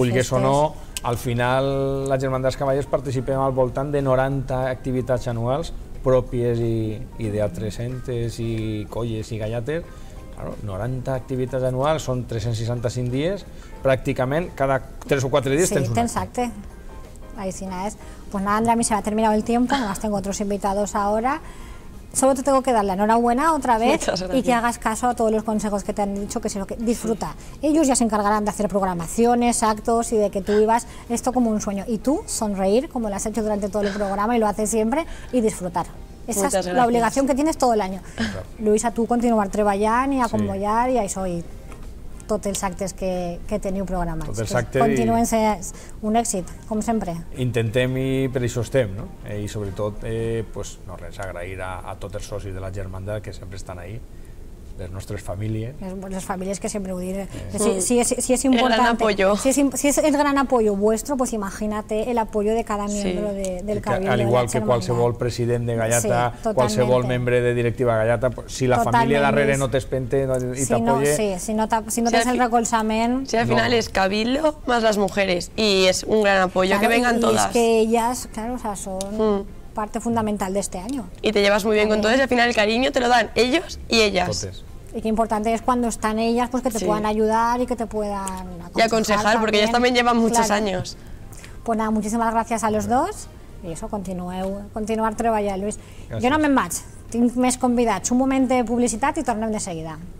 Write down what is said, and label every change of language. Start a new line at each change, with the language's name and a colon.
Catalan: Vulgues o no, al final la Germandat dels Cavallers participem al voltant de 90 activitats anuals, pròpies i d'altres entes i colles i gallates, 90 activitats anuals, són 365 dies, pràcticament cada 3 o 4 dies tens un acte. Sí, exacte. Aixina és.
Spanish: Pues nada, Andrea, a mi se va terminar el tiempo, además tengo otros invitados ahora. Solo te tengo que dar la enhorabuena otra vez y que hagas caso a todos los consejos que te han dicho, que es lo que disfruta. Ellos ya se encargarán de hacer programaciones, actos y de que tú vivas esto como un sueño. Y tú, sonreír, como lo has hecho durante todo el programa y lo haces siempre, y disfrutar. Esa es la obligación que tienes todo el año.
Catalan: Luisa, tú continuar treballant i acompanyar i això, i tots els actes que teniu programats. Continuen sent un èxit, com sempre. Intentem i per això estem, no? I sobretot, no res, agrair a tots els socis de la Germandat que sempre estan ahí, les nostres famílies. Les famílies que sempre ho diré. Si és important...
Spanish: Si és el gran apoyo vuestro, pues imagínate el apoyo de cada miembro del Cabildo de la Germandat.
Catalan: Al igual que qualsevol president de Gallata, qualsevol membre de directiva Gallata, si la família darrere no t'espente i t'apoye... Si no tens el recolzament...
Spanish: Si al final és Cabildo más las mujeres y es un gran apoyo, que vengan todas. Y es que ellas, claro, son... parte fundamental de este año. Y te llevas muy bien con todos y al final el cariño te lo dan ellos y ellas. Y qué importante es cuando están ellas, pues que te puedan ayudar y que te puedan aconsejar. Y aconsejar, también. Porque ellas también llevan muchos años. Pues nada, muchísimas gracias a los dos. Y eso,
Catalan: continuar treballant, Lluís. Gracias. Yo no me'n vaig, tinc més convidats. Un moment de publicitat i tornem de seguida.